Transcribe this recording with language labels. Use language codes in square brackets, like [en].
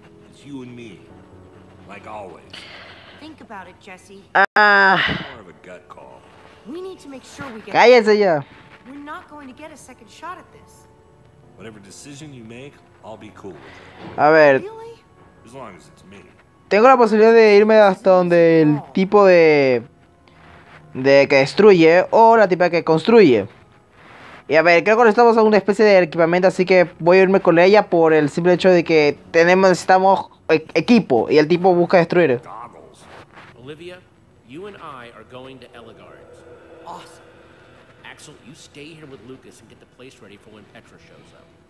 [en] It's you and me. Like always. Think about it, Jesse. More of a gut call. We need to make sure we get. [es] Cállese ya. [en] We're not going to get a second shot at this. Whatever decision you make, I'll be cool with it. [es] A ver. [en] As long as it's me. [es] Tengo la posibilidad de irme hasta donde el tipo de que destruye o la tipa que construye. Y a ver, creo que necesitamos alguna especie de equipamiento, así que voy a irme con ella por el simple hecho de que necesitamos equipo y el tipo busca destruir. [en] Olivia, you and I are going to Illagard. Awesome. Axel, you stay here with Lucas and get the place ready for when Petra shows up.